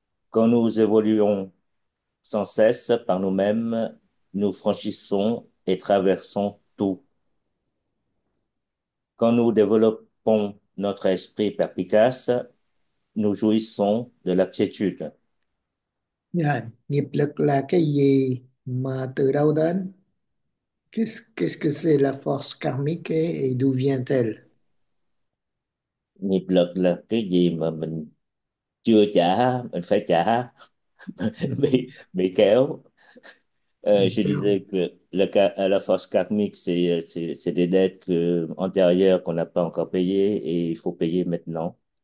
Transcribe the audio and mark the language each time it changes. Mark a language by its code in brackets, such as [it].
[fr] Quand nous évoluons sans cesse par nous-mêmes, nous franchissons et traversons tout. Quand nous développons notre esprit perspicace, nous jouissons de la quiétude. [vi] Nghiệp lực là cái gì mà từ đâu đến? [fr] Qu'est-ce que c'est la force karmique et d'où vient-elle? [vi] Nghiệp lực là cái gì mà mình chưa trả, mình phải trả, bị kéo. [fr] Je disais que la force karmique, c'est des dettes antérieures qu'on n'a pas encore payées et il faut payer maintenant.